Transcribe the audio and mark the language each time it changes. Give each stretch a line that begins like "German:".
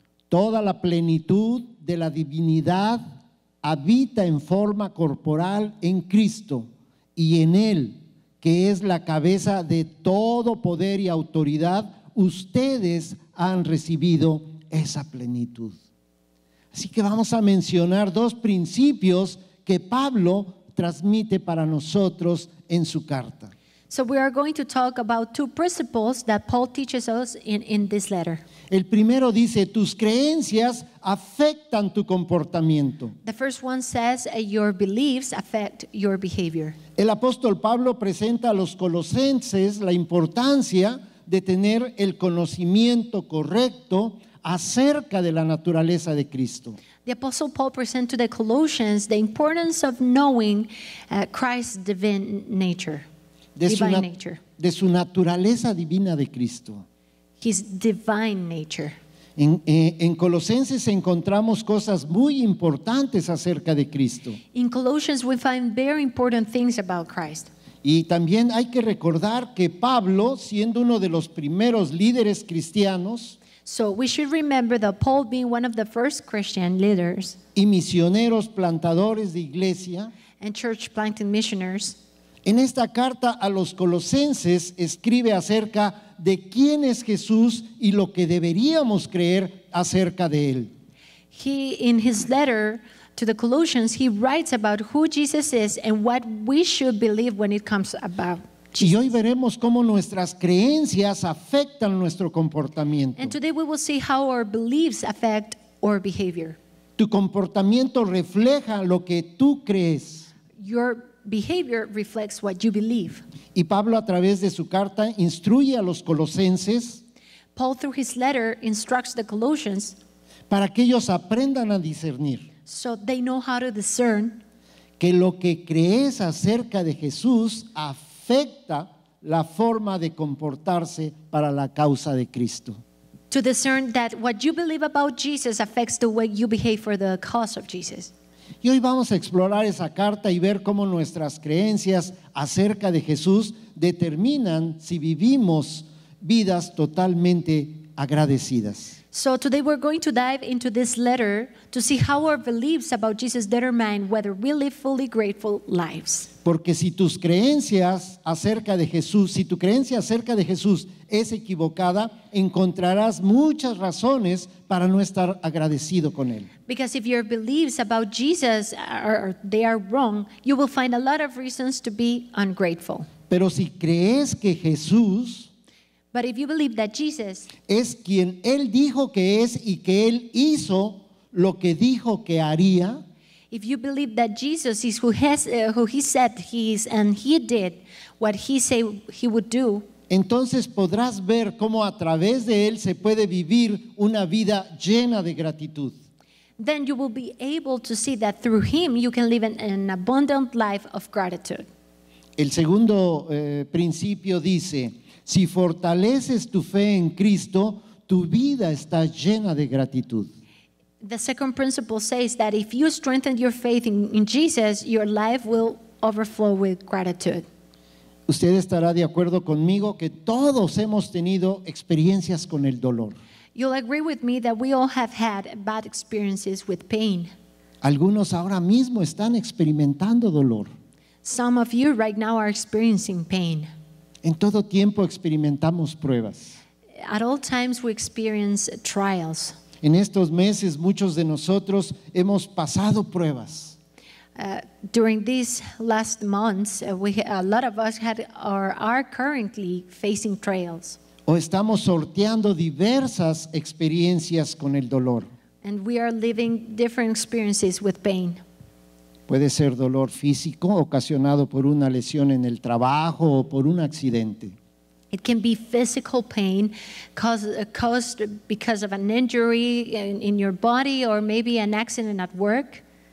Spanish: Toda la plenitud de la divinidad habita en forma corporal en Cristo y en Él, que es la cabeza de todo poder y autoridad, ustedes han recibido esa plenitud. Así que vamos a mencionar dos principios que Pablo transmite para nosotros en su carta.
English: So we are going to talk about two principles that Paul teaches us in this letter.
Spanish: El primero dice, tus creencias afectan tu comportamiento.
English: The first one says, your beliefs affect your behavior.
Spanish: El apóstol Pablo presenta a los colosenses la importancia de tener el conocimiento correcto acerca de la naturaleza de Cristo.
English: The apostle Paul presents to the Colossians the importance of knowing Christ's divine nature.
Spanish: De su naturaleza divina de Cristo.
English: His divine nature.
Spanish: En Colosenses encontramos cosas muy importantes acerca de Cristo.
English: In Colossians we find very important things about Christ.
Spanish: Y también hay que recordar que Pablo, siendo uno de los primeros líderes cristianos,
English: so we should remember that Paul being one of the first Christian leaders,
Spanish: y misioneros plantadores de iglesia,
English: and church planting missionaries,
Spanish: en esta carta a los Colosenses escribe acerca de quién es Jesús y lo que deberíamos creer acerca de él.
English: He, in his letter to the Colossians, he writes about who Jesus is and what we should believe when it comes about Jesus.
Spanish: Y hoy veremos cómo nuestras creencias afectan nuestro comportamiento.
English: And today we will see how our beliefs affect our behavior.
Spanish: Tu comportamiento refleja lo que tú crees.
English: Your behavior reflects what you believe.
Spanish: Y Pablo a través de su carta instruye a los colosenses.
English: Paul through his letter instructs the Colossians.
Spanish: Para que ellos aprendan a discernir.
English: So they know how to discern.
Spanish: Que lo que crees acerca de Jesús afecta la forma de comportarse para la causa de Cristo.
English: To discern that what you believe about Jesus affects the way you behave for the cause of Jesus.
Spanish: Y hoy vamos a explorar esa carta y ver cómo nuestras creencias acerca de Jesús determinan si vivimos vidas totalmente agradecidas.
English: So today we're going to dive into this letter to see how our beliefs about Jesus determine whether we live fully grateful lives.
Spanish: Porque si tus creencias acerca de Jesús, si tu creencia acerca de Jesús es equivocada, encontrarás muchas razones para no estar agradecido con él.
English: Because if your beliefs about Jesus are wrong, you will find a lot of reasons to be ungrateful.
Spanish: Pero si crees que Jesús,
English: but if you believe that Jesus
Spanish: es quien él dijo que es y que él hizo lo que dijo que haría,
English: if you believe that Jesus is who has who he said he is and he did what he said he would do,
Spanish: entonces podrás ver cómo a través de él se puede vivir una vida llena de gratitud.
English: Then you will be able to see that through him you can live an abundant life of gratitude.
Spanish: El segundo principio dice, si fortaleces tu fe en Cristo, tu vida está llena de gratitud.
English: The second principle says that if you strengthen your faith in Jesus, your life will overflow with gratitude.
Spanish: Usted estará de acuerdo conmigo que todos hemos tenido experiencias con el dolor.
English: You'll agree with me that we all have had bad experiences with pain.
Spanish: Algunos ahora mismo están experimentando dolor.
English: Some of you right now are experiencing pain.
Spanish: En todo tiempo experimentamos pruebas.
English: At all times we experience trials.
Spanish: En estos meses muchos de nosotros hemos pasado pruebas.
English: During these last months, a lot of us are currently facing trials.
Spanish: O estamos sorteando diversas experiencias con el dolor.
English: And we are living different experiences with pain.
Spanish: Puede ser dolor físico ocasionado por una lesión en el trabajo o por un accidente.
English: It can be physical pain caused because of an injury in your body or maybe an accident at work.